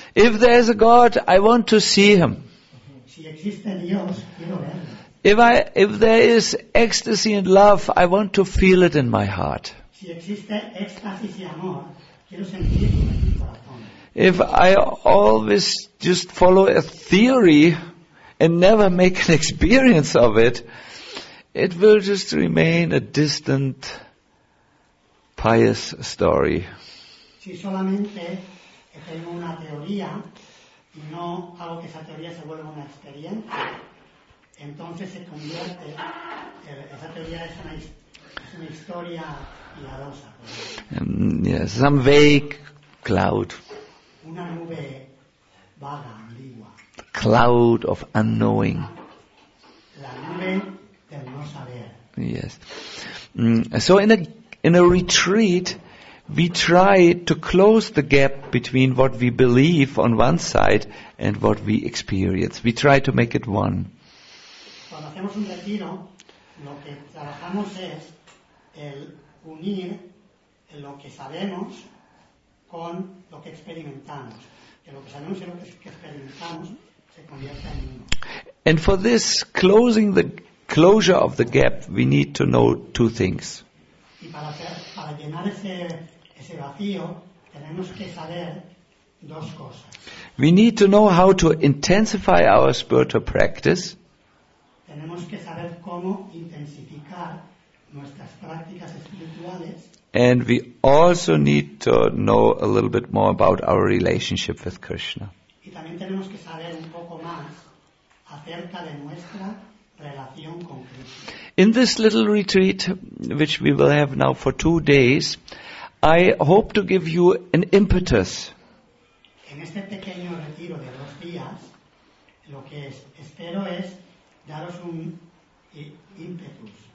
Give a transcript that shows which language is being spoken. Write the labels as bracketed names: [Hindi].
[English] If there is a God, I want to see him. [Spanish] Si existe Dios, quiero verlo. [English] If there is ecstasy and love, I want to feel it in my heart. [Spanish] Si existe éxtasis y amor, quiero sentirlo en mi corazón. [English] If I always just follow a theory and never make an experience of it, it will just remain a distant, pious story. [Spanish] Si solamente tengo una teoría y no hago que esa teoría se vuelva una experiencia, entonces se convierte, esa teoría es una historia piadosa. [English] Yes, some vague cloud. [Spanish] Una nube vaga, ambigua. [English] The cloud of unknowing. [Spanish] La nube del no saber. [English] Yes. So in a retreat, we try to close the gap between what we believe on one side and what we experience. We try to make it one. [Spanish] Cuando hacemos un retiro, lo que trabajamos es el unir lo que sabemos con lo que experimentamos. Que lo que sabemos y lo que experimentamos se convierta en uno. [English] And for this closure of the gap, we need to know two things. [Spanish] Y para llenar ese vacío, tenemos que saber dos cosas. [English] We need to know how to intensify our spiritual practice. [Spanish] Tenemos que saber cómo intensificar nuestras prácticas espirituales. [English] And we also need to know a little bit more about our relationship with Krishna. [Spanish] Y también tenemos que saber un poco más acerca de nuestra relación con Krishna. [English] In this little retreat, which we will have now for 2 days, I hope to give you an impetus. [Spanish] En este pequeño retiro de 2 días, lo que espero es daros un impetus.